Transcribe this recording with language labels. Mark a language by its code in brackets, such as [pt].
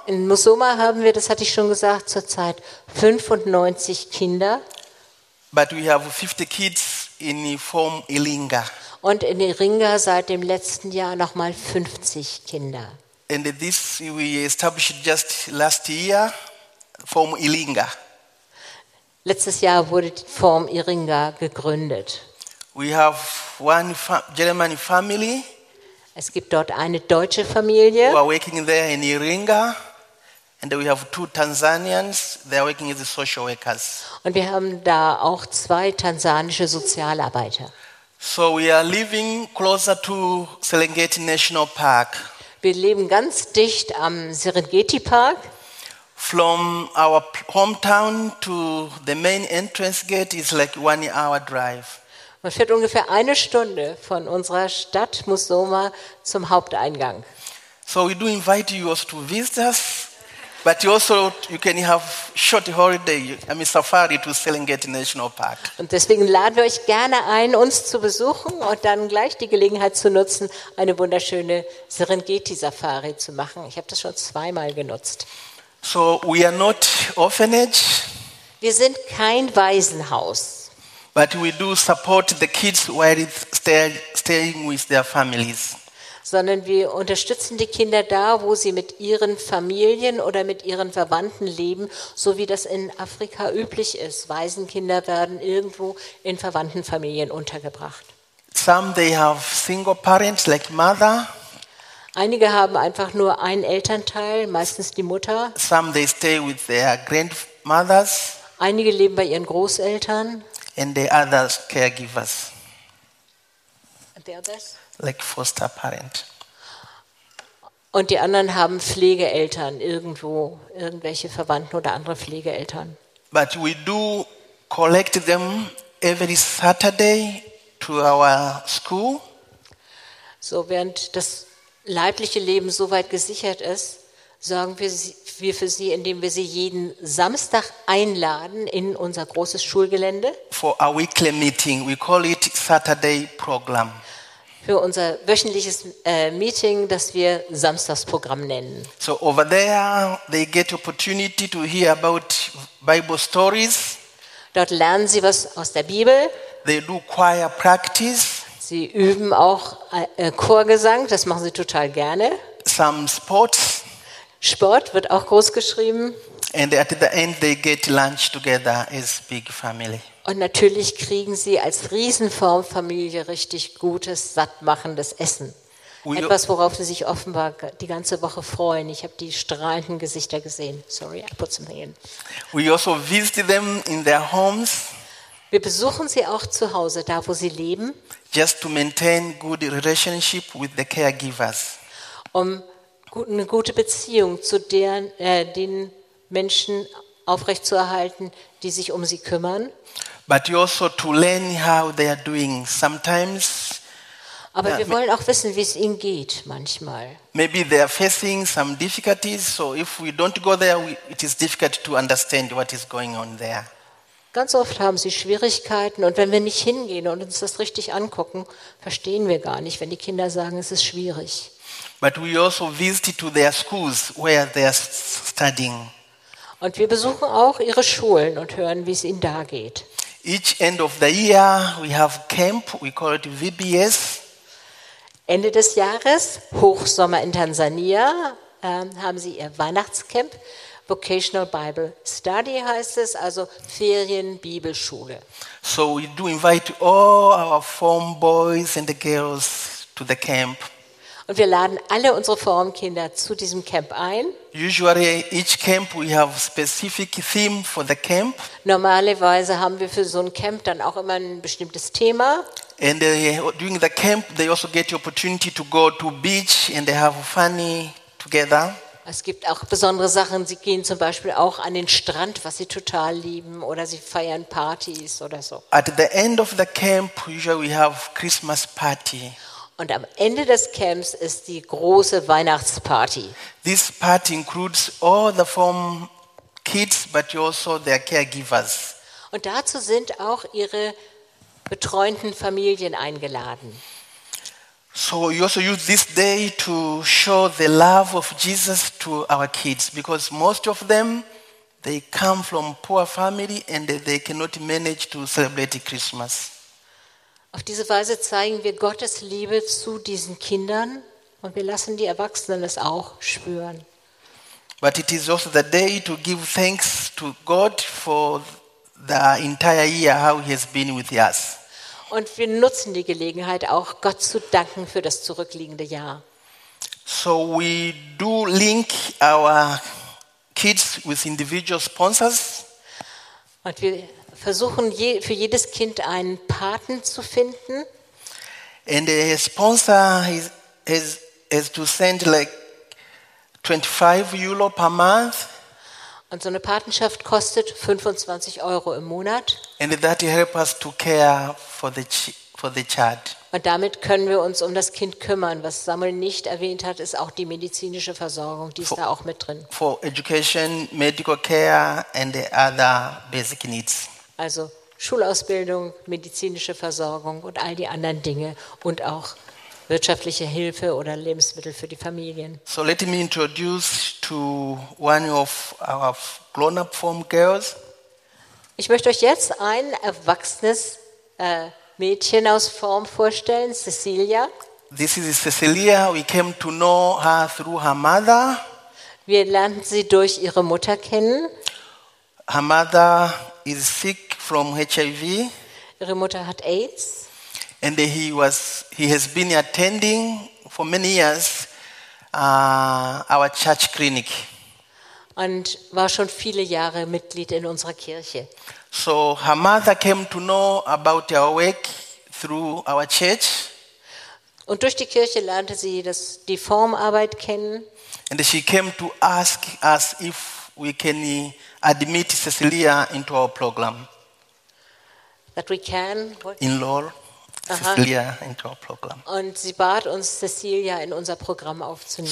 [de] In Musoma haben wir, das hatte ich schon gesagt, zurzeit 95 Kinder. [en] But we have 50 kids in Form Iringa. [de] Und in Iringa seit dem letzten Jahr nochmal 50 Kinder. [en] And this we established just last year, Form Iringa. [de] Letztes Jahr wurde die Form Iringa gegründet. [en] We have one German family. [de] Es gibt dort eine deutsche Familie. [en] We are working there in Iringa, and we have two Tanzanians. They are working as social workers. [de] Und wir haben da auch zwei tansanische Sozialarbeiter. [en] So we are living closer to Serengeti National Park. [de] Wir leben ganz dicht am Serengeti Park. [en] From our hometown to the main entrance gate is like 1 hour drive. [de] Man fährt ungefähr eine Stunde von unserer Stadt Musoma zum Haupteingang. [en] So we do invite you also to visit us, but you also you can have short holiday, safari to Serengeti National Park. [de] Und deswegen laden wir euch gerne ein, uns zu besuchen und dann gleich die Gelegenheit zu nutzen, eine wunderschöne Serengeti Safari zu machen. Ich habe das schon zweimal genutzt. [en] So we are not orphanage. [de] Wir sind kein Waisenhaus. [en] But we do support the kids while staying with their families. [de] Sondern wir unterstützen die Kinder da, wo sie mit ihren Familien oder mit ihren Verwandten leben, so wie das in Afrika üblich ist. Waisenkinder werden irgendwo in Verwandtenfamilien untergebracht. [en] Some they have single parents like mother. [de] Einige haben einfach nur einen Elternteil, meistens die Mutter. [en] Some they stay with their grandmothers. [de] Einige leben bei ihren Großeltern. [en] And the others caregivers. And the others? Like foster parent. [de] Und die anderen haben Pflegeeltern irgendwo, irgendwelche Verwandten oder andere Pflegeeltern. [en] But we do collect them every Saturday to our school. [de] So während das leibliche Leben soweit gesichert ist, sorgen wir für sie, indem wir sie jeden Samstag einladen in unser großes Schulgelände. [en] For a weekly meeting, we call it Saturday program. [de] Für unser wöchentliches Meeting, das wir Samstagsprogramm nennen. [en] So over there, they get opportunity to hear about Bible stories. [de] Dort lernen sie was aus der Bibel. [en] They do choir practice. [de] Sie üben auch Chorgesang, das machen sie total gerne. [en] Some sports. [de] Sport wird auch groß geschrieben. [en] And at the end they get lunch together as big family. [de] Und natürlich kriegen sie als Riesenformfamilie richtig gutes, sattmachendes Essen. Etwas, worauf sie sich offenbar die ganze Woche freuen. Ich habe die strahlenden Gesichter gesehen. [en] Sorry, I put something in. We also visit them in their homes. [de] Wir besuchen sie auch zu Hause, da wo sie leben. [en] Just to maintain good relationship with the caregivers. [de] Um eine gute Beziehung zu den Menschen aufrechtzuerhalten, die sich um sie kümmern. [en] But also to learn how they are doing sometimes. [de] Aber wir wollen auch wissen, wie es ihnen geht manchmal. [en] Maybe they are facing some difficulties, so if we don't go there, it is difficult to understand what is going on there. [de] Ganz oft haben sie Schwierigkeiten und wenn wir nicht hingehen und uns das richtig angucken, verstehen wir gar nicht, wenn die Kinder sagen, es ist schwierig. [en] But we also visit to their schools where they are studying. [de] Und wir besuchen auch ihre Schulen und hören, wie es ihnen da geht. [en] Each end of the year we have camp, we call it VBS. [de] Ende des Jahres, Hochsommer in Tansania, haben sie ihr Weihnachtscamp. Vocational Bible Study heißt es, also Ferienbibelschule. [en] So we do invite all our form boys and the girls to the camp. [de] Und wir laden alle unsere Formkinder zu diesem Camp ein. [en] Usually each camp we have specific theme for the camp. [de] Normalerweise haben wir für so ein Camp dann auch immer ein bestimmtes Thema. [en] And during the camp they also get the opportunity to go to beach and they have fun together. [de] Es gibt auch besondere Sachen. Sie gehen zum Beispiel auch an den Strand, was sie total lieben, oder sie feiern Partys oder so. [en] At the end of the camp usually we have Christmas party. [de] Und am Ende des Camps ist die große Weihnachtsparty. [en] This party includes all the form kids, but also their caregivers. [de] Und dazu sind auch ihre betreuenden Familien eingeladen. [en] So we also use this day to show the love of Jesus to our kids, because most of them, they come from poor family and they cannot manage to celebrate Christmas. [de] Auf diese Weise zeigen wir Gottes Liebe zu diesen Kindern und wir lassen die Erwachsenen es auch spüren. [en] But it is also the day to give thanks to God for the entire year how he has been with us. [de] Und wir nutzen die Gelegenheit auch Gott zu danken für das zurückliegende Jahr. [en] So we do link our kids with individual sponsors. [de] Und wir versuchen für jedes Kind einen Paten zu finden. [en] And a sponsor is to send like 25 euro per month. [de] Und so eine Patenschaft kostet 25 Euro im Monat. [en] And that helps us to care for the child. [de] Und damit können wir uns um das Kind kümmern. Was Samuel nicht erwähnt hat, ist auch die medizinische Versorgung, die ist da auch mit drin. [en] For education, medical care and the other basic needs. [de] Also Schulausbildung, medizinische Versorgung und all die anderen Dinge und auch wirtschaftliche Hilfe oder Lebensmittel für die Familien. [en] So let me introduce to one of our grown-up form girls. [de] Ich möchte euch jetzt ein erwachsenes Mädchen aus Form vorstellen, Cecilia. [en] This is Cecilia. We came to know her through her mother. [de] Wir lernten sie durch ihre Mutter kennen. [en] Her mother is sick from HIV. [de] Ihre Mutter hat AIDS. [en] And he has been attending for many years our church clinic. [de] Und war schon viele Jahre Mitglied in unserer Kirche. [en] So her mother came to know about our work through our church. [de] Und durch die Kirche lernte sie die Formarbeit kennen. [en] And she came to ask us if we can admit Cecilia into our program. That we can enroll Cecilia into our program. [de] Und sie bat uns, Cecilia in unser Programm aufzunehmen.